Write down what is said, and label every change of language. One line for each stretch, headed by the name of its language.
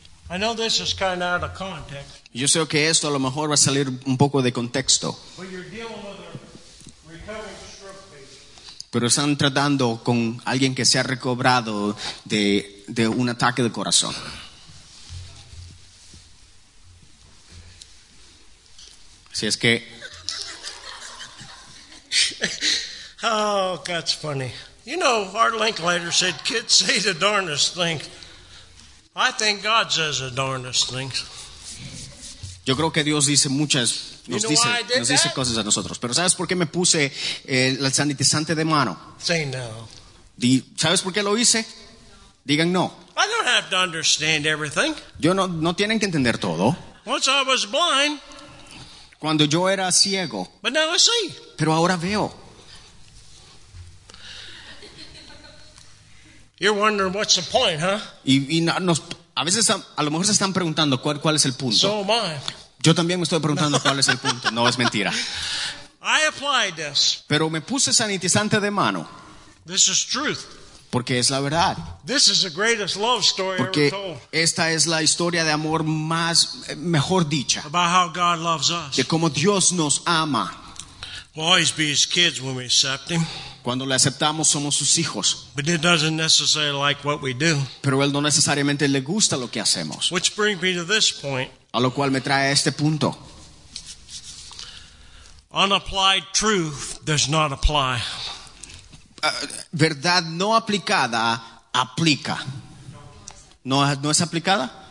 English: I know this is kind of out of context.
Spanish: Yo sé que esto a lo mejor va a salir un poco de contexto.
English: But you're dealing with a recovering stroke patient.
Spanish: Pero están tratando con alguien que se ha recobrado de un ataque de corazón. Así es que...
English: Oh, that's funny. You know, Art Linklater said, kids say the darnest things. I think God says the darnest things.
Spanish: Yo creo que Dios dice muchas, nos dice cosas a nosotros. Pero ¿sabes por qué me puse el sanitizante de mano?
English: Say no.
Spanish: ¿Sabes por qué lo hice? Digan no.
English: I don't have to understand everything.
Spanish: Yo no tienen que entender todo.
English: Once I was blind.
Spanish: Cuando yo era ciego.
English: But now I see.
Spanish: Pero ahora veo.
English: You're wondering what's the point, huh?
Spanish: Y nos, a veces a lo mejor se están preguntando cuál es el punto.
English: So am I.
Spanish: Yo también me estoy preguntando cuál es el punto. No es mentira.
English: I applied this.
Spanish: Pero me puse sanitizante de mano.
English: This is truth.
Spanish: Porque es la verdad.
English: This is the greatest love story
Spanish: Porque
English: ever told.
Spanish: Esta es la historia de amor más mejor dicha.
English: About how God loves us.
Spanish: De cómo Dios nos ama.
English: We'll always be His kids when we accept Him.
Spanish: Cuando le aceptamos somos sus hijos.
English: But it doesn't necessarily like what we do.
Spanish: Pero él no necesariamente le gusta lo que hacemos.
English: Which brings me to this point.
Spanish: A lo cual me trae a este punto.
English: Unapplied truth does not apply.
Spanish: Verdad no aplicada aplica. No es aplicada.